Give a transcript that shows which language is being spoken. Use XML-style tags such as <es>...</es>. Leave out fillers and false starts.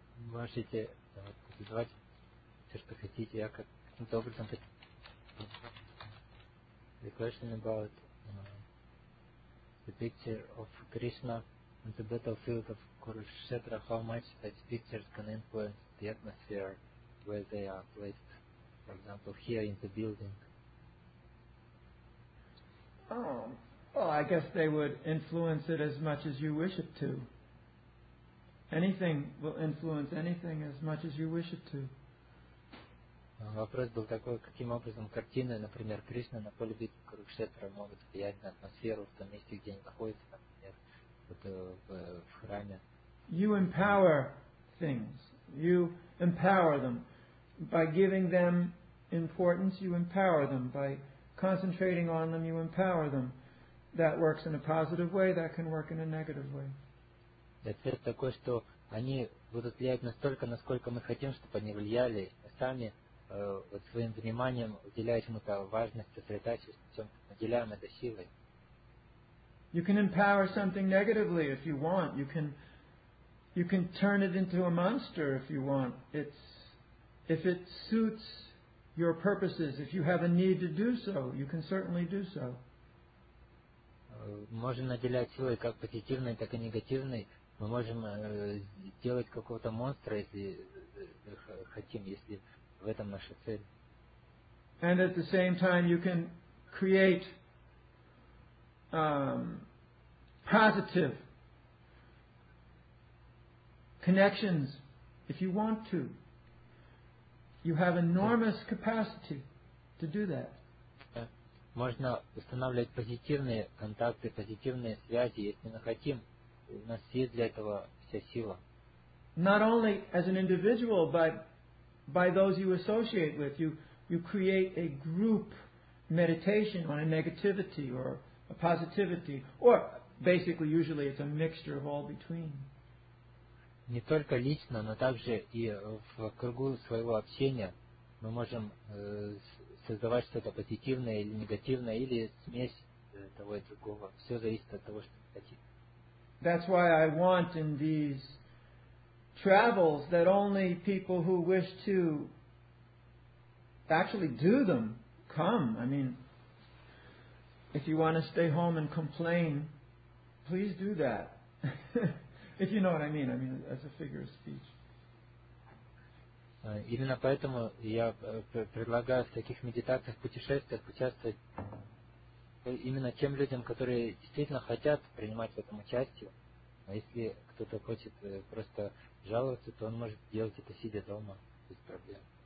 <ru>Можете называть все, что хотите. Я каким-то образом</ru> <en>the question about the picture of Krishna on the battlefield of Kurukshetra, how much that picture can influence the atmosphere where they are placed. For example, here in the building. Oh, well, I guess they would influence it as much as you wish it to. Anything will influence anything as much as you wish it to.</en> <ru>Вопрос был такой, каким образом картины, например, Кришны на поле битвы Курукшетра могут влиять на атмосферу в том месте, где они находятся, например, вот, в храме.</ru> <en>You empower things. You empower them by giving them importance, you empower them. By concentrating on them, you empower them. That works in a positive way, that can work in a negative way.</en> <ru>Ответ такой, что они будут влиять настолько, насколько мы хотим, чтобы они влияли сами вот своим вниманием, уделяя чему-то важность, сосредоточиваясь, чем наделяем это силой.</ru> <en>You can empower something negatively if you want. You can turn it into a monster if you want. If it suits your purposes, if you have a need to do so, you can certainly do so.</en> <ru>можем наделять силой как позитивной, так и негативной. Мы можем делать какого-то монстра, если хотим, если в этом наша цель.</ru> <en>And at the same time you can create positive connections if you want to. You have enormous capacity to do that.</en> <ru>Можно устанавливать позитивные контакты, позитивные связи, если мы хотим. У нас есть для этого вся сила.</ru> <en>Not only as an individual, but by those you associate with, you create a group meditation on a negativity or a positivity, or basically, usually it's a mixture of all between.</en> <ru>Не только лично, но также и в кругу своего общения мы можем создавать что-то позитивное или негативное, или смесь того и другого. Все зависит от того, что мы хотим.</ru> <en>That's why I want in these travels that only people who wish to actually do them come. I mean, if you want to stay home and complain, please do that. If you know what I mean, as a figure of speech.</en> <ru>Именно поэтому я предлагаю в таких медитациях, путешествиях участвовать именно тем людям, которые действительно хотят принимать в этом участие. А если кто-то хочет просто жаловаться, то он может делать это, сидя дома, без проблем.</ru>